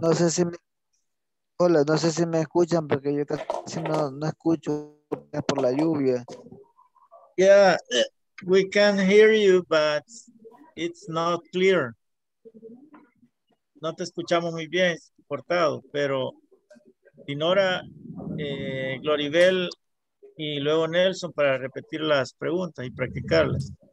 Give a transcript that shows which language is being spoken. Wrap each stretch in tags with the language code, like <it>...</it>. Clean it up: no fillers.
<es>No sé si me escuchan porque yo casi no escucho por la lluvia.</es> <en>Yeah, we can hear you, but it's not clear.</en> <es>No te escuchamos muy bien, cortado, pero Dinora, Gloribel y luego Nelson para repetir las preguntas y practicarlas.</es>